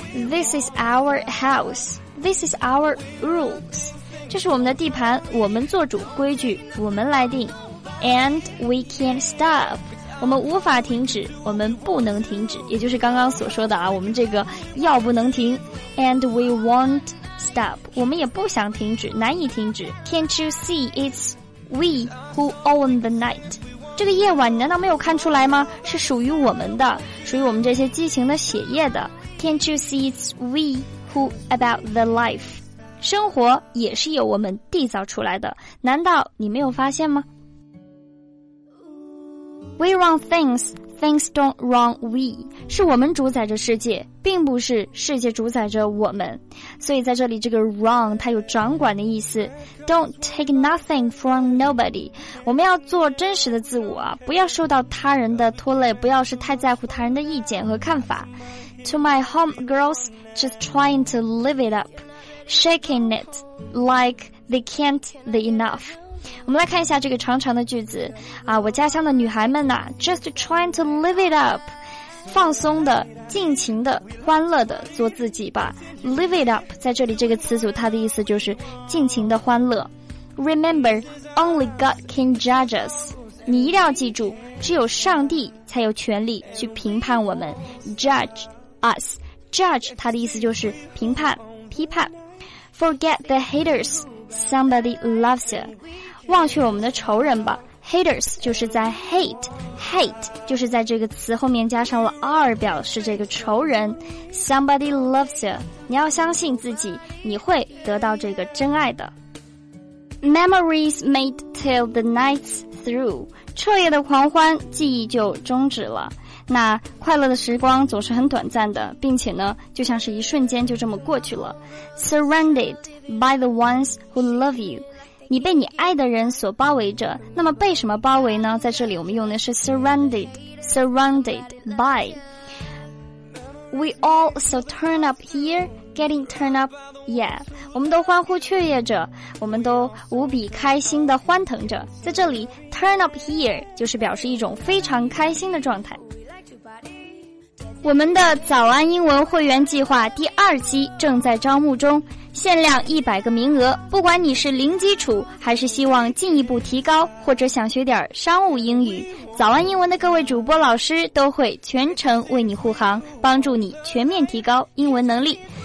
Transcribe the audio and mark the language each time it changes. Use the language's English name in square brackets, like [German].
[English] This is our house， This is our rules， [Chinese] 这是我们的地盘，我们做主，规矩我们来定。 [English] And we can't stop， [Chinese] 我们无法停止，我们不能停止，也就是刚刚所说的啊，我们这个要不能停。 [English] And we won't stop， [Chinese] 我们也不想停止，难以停止。 [English] Can't you see it's we who own the night， [Chinese] 这个夜晚你难道没有看出来吗？是属于我们的，属于我们这些激情的血液的。 [English] Can't you see it's we who about the life， [Chinese] 生活也是由我们缔造出来的，难道你没有发现吗？ [English] We run things, things don't run we， [Chinese] 是我们主宰着世界，并不是世界主宰着我们。所以在这里这个 run 它有掌管的意思。 [English] Don't take nothing from nobody， [Chinese] 我们要做真实的自我啊，不要受到他人的拖累，不要是太在乎他人的意见和看法。 [English] To my home girls just trying to live it up， shaking it like they can't the enough。 [Chinese] 我们来看一下这个长长的句子啊，我家乡的女孩们呐、啊、， [English] just trying to live it up， [Chinese] 放松的、尽情的、欢乐的做自己吧。 [English] Live it up， [Chinese] 在这里这个词组它的意思就是尽情的欢乐。 [English] Remember， only God can judge us， [Chinese] 你一定要记住，只有上帝才有权利去评判我们。 [English] Judge us， [Chinese] judge 它的意思就是评判、批判。 [English] Forget the haters， somebody loves you。 [Chinese] 忘去我们的仇人吧。 Haters 就是在 hate 就是在这个词后面加上了 r， 表示这个仇人。 [English] Somebody loves you， [Chinese] 你要相信自己，你会得到这个真爱的。 [English] Memories made till the night's through， [Chinese] 彻夜的狂欢，记忆就终止了。那快乐的时光总是很短暂的，并且呢就像是一瞬间就这么过去了。 [English] Surrounded by the ones who love you， [Chinese] 你被你爱的人所包围着，那么被什么包围呢？在这里我们用的是 [English] surrounded by。 We all so turn up here, getting turn up, yeah. [Chinese] 我们都欢呼雀跃着，我们都无比开心的欢腾着。在这里 [English] turn up here [Chinese] 就是表示一种非常开心的状态。我们的早安英文会员计划第二期正在招募中，限量100个名额，不管你是零基础还是希望进一步提高，或者想学点商务英语，早安英文的各位主播老师都会全程为你护航，帮助你全面提高英文能力。